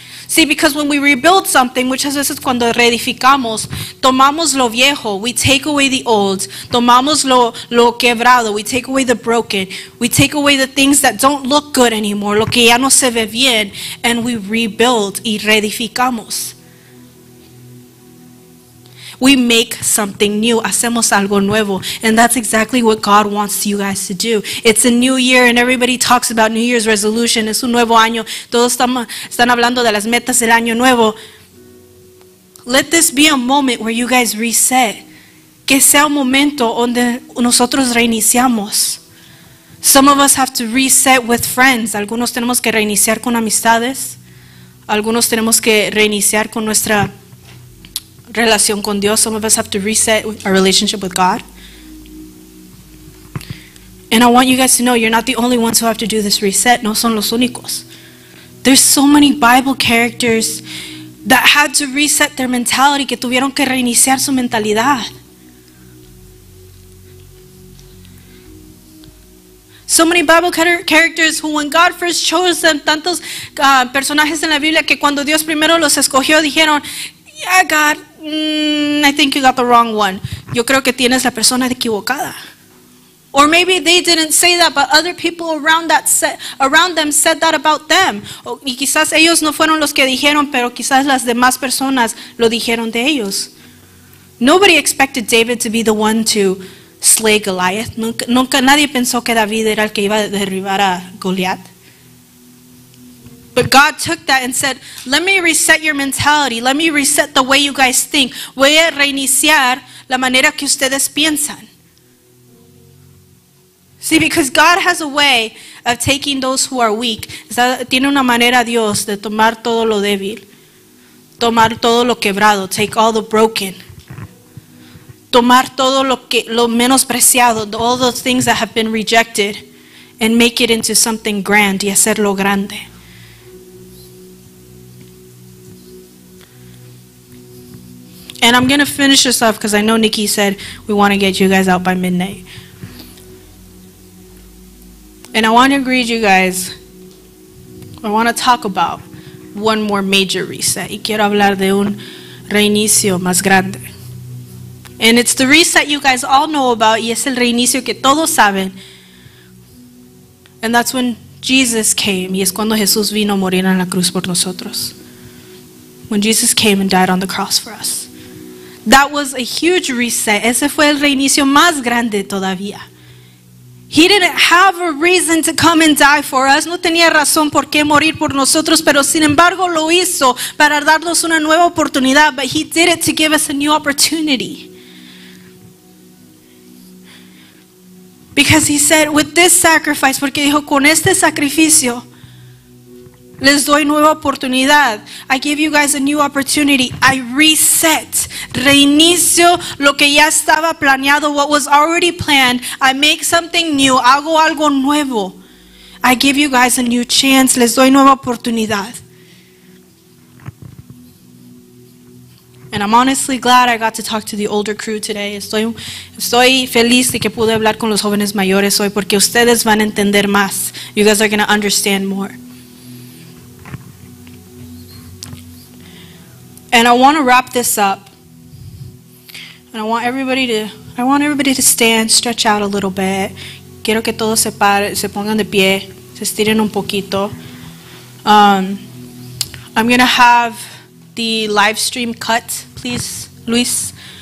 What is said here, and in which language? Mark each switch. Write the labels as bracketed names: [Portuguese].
[English] See, because when we rebuild something, [Spanish] muchas veces cuando reedificamos, tomamos lo viejo, [English] we take away the old, [Spanish] tomamos lo quebrado, [English] we take away the broken, we take away the things that don't look good anymore, [Spanish] lo que ya no se ve bien, [English] and we rebuild [Spanish] y reedificamos. [English] We make something new. [Spanish] Hacemos algo nuevo. [English] And that's exactly what God wants you guys to do. It's a new year and everybody talks about New Year's resolution. [Spanish] Es un nuevo año. Todos están hablando de las metas del año nuevo. [English] Let this be a moment where you guys reset. [Spanish] Que sea un momento donde nosotros reiniciamos. [English] Some of us have to reset with friends. [Spanish] Algunos tenemos que reiniciar con amistades. Algunos tenemos que reiniciar con nuestra relación con Dios. [English] Some of us have to reset our relationship with God. And I want you guys to know, you're not the only ones who have to do this reset. [Spanish] No son los únicos. [English] There's so many Bible characters that had to reset their mentality, [Spanish] que tuvieron que reiniciar su mentalidad. [English] So many Bible characters who, when God first chose them, [Spanish] tantos personajes en la Biblia que cuando Dios primero los escogió, dijeron, [English] yeah, God, I think you got the wrong one. [Spanish] Yo creo que tienes la persona equivocada. [English] Or maybe they didn't say that, but other people around them said that about them. [Spanish] Y quizás ellos no fueron los que dijeron, pero quizás las demás personas lo dijeron de ellos. [English] Nobody expected David to be the one to slay Goliath. [Spanish] Nunca nadie pensó que David era el que iba a derribar a Goliath. [English] But God took that and said, let me reset your mentality. Let me reset the way you guys think. [Spanish] Voy a reiniciar la manera que ustedes piensan. [English] See, because God has a way of taking those who are weak. [Spanish] Tiene una manera Dios de tomar todo lo débil. Tomar todo lo quebrado. [English] Take all the broken. [Spanish] Tomar todo lo menospreciado. [English] All those things that have been rejected. And make it into something grand. [Spanish] Y hacerlo grande. [English] And I'm going to finish this off because I know Nikki said we want to get you guys out by midnight. And I want to greet you guys. I want to talk about one more major reset. [Spanish] Y quiero hablar de un reinicio más grande. [English] And it's the reset you guys all know about. [Spanish] Y es el reinicio que todos saben. [English] And that's when Jesus came. [Spanish] Y es cuando Jesús vino a morir en la cruz por nosotros. [English] When Jesus came and died on the cross for us. That was a huge reset. [Spanish] Ese fue el reinicio más grande todavía. [English] He didn't have a reason to come and die for us. [Spanish] No tenía razón por qué morir por nosotros, pero sin embargo lo hizo para darnos una nueva oportunidad. [English] But he did it to give us a new opportunity. Because he said, with this sacrifice, [Spanish] porque dijo, con este sacrificio, les doy nueva oportunidad. [English] I give you guys a new opportunity. I reset. [Spanish] Reinicio lo que ya estaba planeado, [English] what was already planned. I make something new. [Spanish] Hago algo nuevo. [English] I give you guys a new chance. [Spanish] Les doy nueva oportunidad. [English] And I'm honestly glad I got to talk to the older crew today. [Spanish] Estoy feliz de que pude hablar con los jóvenes mayores hoy porque ustedes van a entender más. [English] You guys are going to understand more. And I want to wrap this up. And I want everybody to stand, stretch out a little bit. [Spanish] Quiero que todos se pongan de pie, se estiren un poquito. [English] I'm going to have the live stream cut, please, Luis.